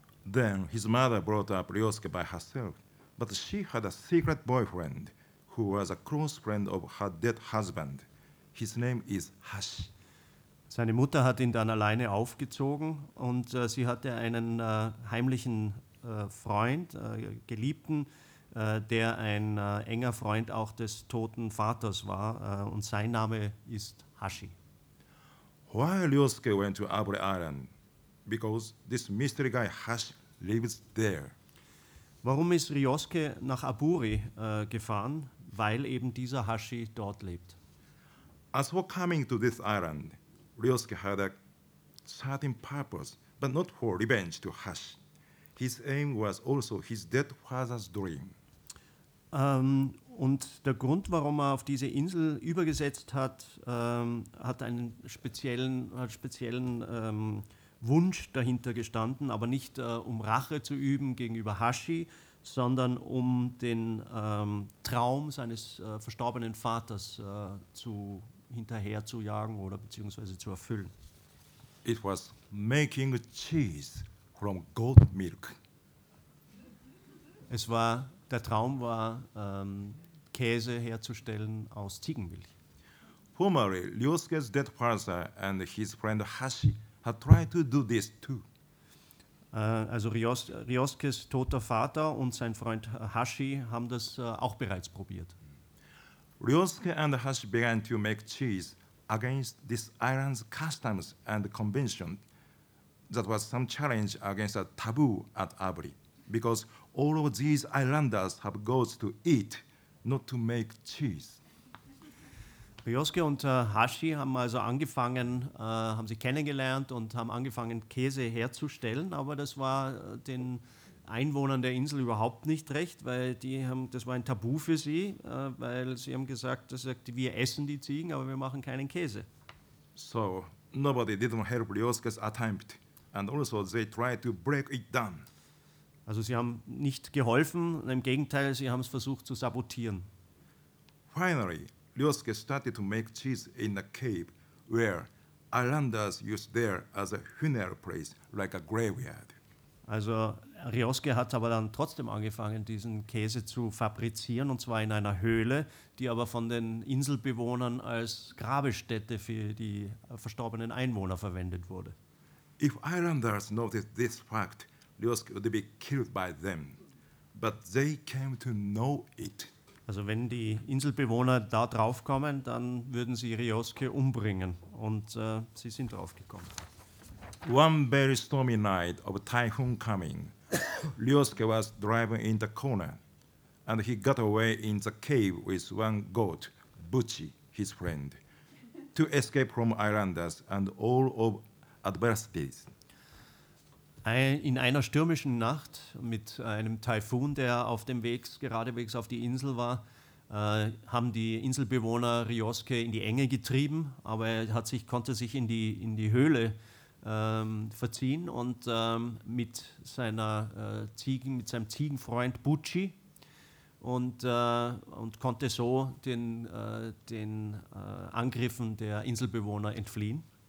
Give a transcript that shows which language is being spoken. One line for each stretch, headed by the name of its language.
English: Then his mother brought up Ryosuke by herself, but she had a secret boyfriend who was a close friend of her dead husband. His name is Hashi.
German: Seine Mutter hat ihn dann alleine aufgezogen, und sie hatte einen heimlichen Freund, Geliebten, der ein enger Freund auch des toten Vaters war, und sein Name ist Hashi.
English: Why Ryosuke went to Aburi Island? Because this mystery guy Hashi lives there.
German: Warum ist Ryosuke nach Aburi gefahren? Weil eben dieser Hashi dort lebt.
English: As for coming to this island, Ryosuke had a certain purpose, but not for revenge to Hash. His aim was also his dead father's dream.
German: Und der Grund, warum er auf diese Insel übergesetzt hat, hat einen speziellen Wunsch dahinter gestanden, aber nicht um Rache zu üben gegenüber Hashi, sondern um den Traum seines verstorbenen Vaters hinterherzujagen oder beziehungsweise zu erfüllen.
English: It was making cheese from goat milk.
German: Es war, der Traum war, Käse herzustellen aus Ziegenmilch.
English: Formerly, Ryosuke's dead father and his friend Hashi had tried to do this too.
German: Also Ryosuke's toter Vater und sein Freund Hashi haben das auch bereits probiert.
English: Ryosuke and Hashi began to make cheese against this island's customs and convention. That was some challenge against a taboo at Abri, because all of these islanders have goats to eat, not to make cheese.
German: Ryosuke und Hashi haben also angefangen, haben sich kennengelernt und haben angefangen, Käse herzustellen, aber das war den Einwohnern der Insel überhaupt nicht recht, weil die haben, das war ein Tabu für sie, weil sie haben gesagt, wir essen die Ziegen, aber wir machen keinen Käse.
English: So, nobody didn't help Ryosuke's attempt, and also they tried to break it down.
German: Also sie haben nicht geholfen, im Gegenteil, sie haben es versucht zu sabotieren.
English: Finally, Ryosuke started to make cheese in a cave where islanders used there as a funeral place, like a graveyard.
German: Also Ryosuke hat aber dann trotzdem angefangen, diesen Käse zu fabrizieren, und zwar in einer Höhle, die aber von den Inselbewohnern als Grabestätte für die verstorbenen Einwohner verwendet wurde.
English: If islanders noticed this fact, Ryosuke would be killed by them. But they came to know it.
German: Also wenn die Inselbewohner da drauf kommen, dann würden sie Ryosuke umbringen. Und sie sind drauf gekommen.
English: One very stormy night of typhoon coming, Ryosuke was driving in the corner, and he got away in the cave with one goat, Butchie, his friend, to escape from islanders and all of adversities.
German: In einer stürmischen Nacht mit einem Taifun, der auf dem Weg geradewegs auf die Insel war, haben die Inselbewohner Ryosuke in die Enge getrieben, aber er konnte sich in die Höhle verziehen und mit seinem Ziegenfreund Butchie und konnte so den Angriffen der Inselbewohner entfliehen.